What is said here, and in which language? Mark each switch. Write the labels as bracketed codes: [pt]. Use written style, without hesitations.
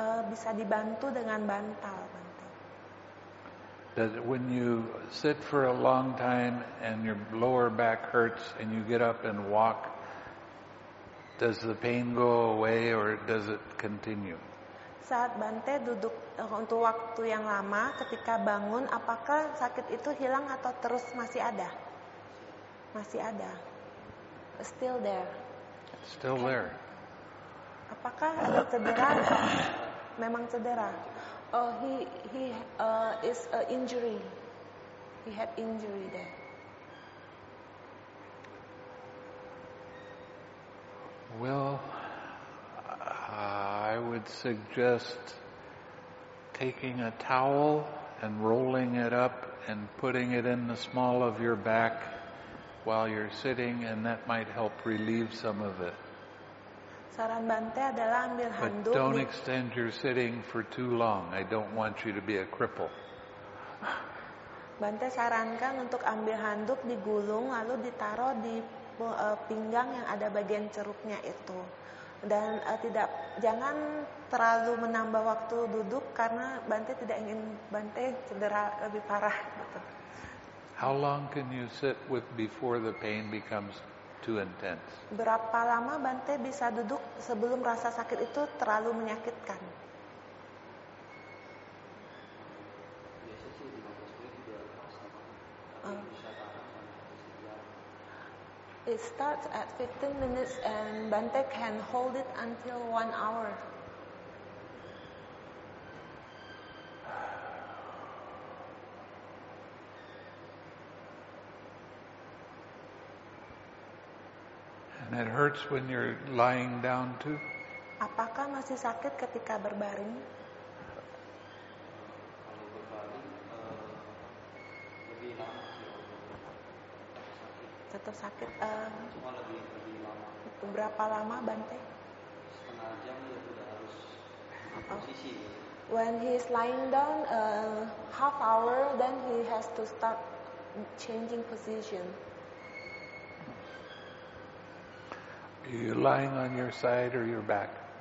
[id] Bisa dibantu dengan bantal. [en] That when you sit for a long time and your lower back hurts and you get up and walk, does the pain go away or does it continue? [id] Saat Bante duduk untuk waktu yang lama, ketika bangun, apakah sakit itu hilang atau terus masih ada? Masih ada. [en] Still there. Still there. [id] Apakah ada cedera? Memang cedera. [en] Oh, he is an injury. He had injury there. Well, I would suggest taking a towel and rolling it up and putting it in the small of your back while you're sitting, and that might help relieve some of it. [id] Saran Bante adalah ambil handuk. [en] But don't extend your sitting for too long. I don't want you to be a cripple. [id] Bante sarankan untuk ambil handuk digulung lalu ditaruh di pinggang yang ada bagian ceruknya itu. Dan tidak jangan terlalu menambah waktu duduk karena Bante tidak ingin Bante cedera lebih parah gitu. [en] How long can you sit with before the pain becomes too intense? [id] Berapa lama Bante bisa duduk sebelum rasa sakit itu terlalu menyakitkan? [en] It starts at 15 minutes and Bante can hold it until 1 hour. And it hurts when you're lying down too? [id] Apakah masih sakit ketika berbaring? Tetap sakit. Cuma lebih lama. Berapa lama Bante? Setengah jam dia sudah harus posisi. [en] When he is lying down, half hour, then he has to start changing position. Are you lying on your side or your back?